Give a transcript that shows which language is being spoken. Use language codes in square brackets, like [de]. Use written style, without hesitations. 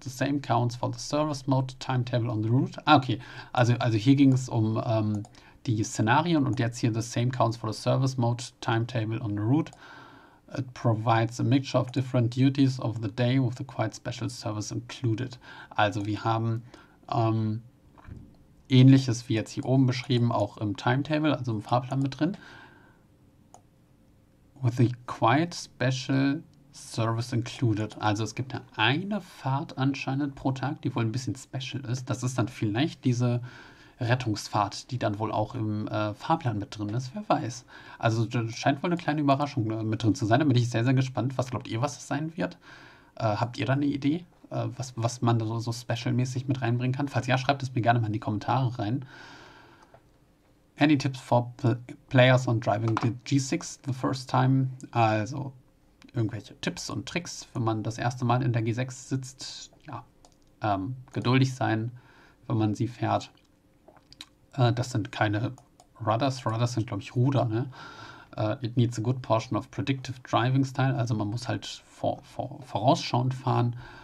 [en] The same counts for the service mode timetable on the route. Ah, okay. [de] Also hier ging es um die Szenarien und jetzt hier [en] the same counts for the service mode timetable on the route. It provides a mixture of different duties of the day with the quite special service included. [de] Also wir haben ähnliches wie jetzt hier oben beschrieben, auch im Timetable, also im Fahrplan mit drin. [en] With the quite special Service included. [de] Also es gibt ja eine Fahrt anscheinend pro Tag, die wohl ein bisschen special ist. Das ist dann vielleicht diese Rettungsfahrt, die dann wohl auch im Fahrplan mit drin ist. Wer weiß. Also das scheint wohl eine kleine Überraschung mit drin zu sein. Da bin ich sehr, sehr gespannt. Was glaubt ihr, was es sein wird? Habt ihr da eine Idee, was man da so specialmäßig mit reinbringen kann? Falls ja, schreibt es mir gerne mal in die Kommentare rein. [en] Any tips for players on driving the G6 the first time? [de] Also irgendwelche Tipps und Tricks, wenn man das erste Mal in der G6 sitzt. Ja, geduldig sein, wenn man sie fährt. Das sind keine Rudders. Rudders sind, glaube ich, Ruder. Ne? [en] It needs a good portion of predictive driving style. [de] Also man muss halt vorausschauend fahren.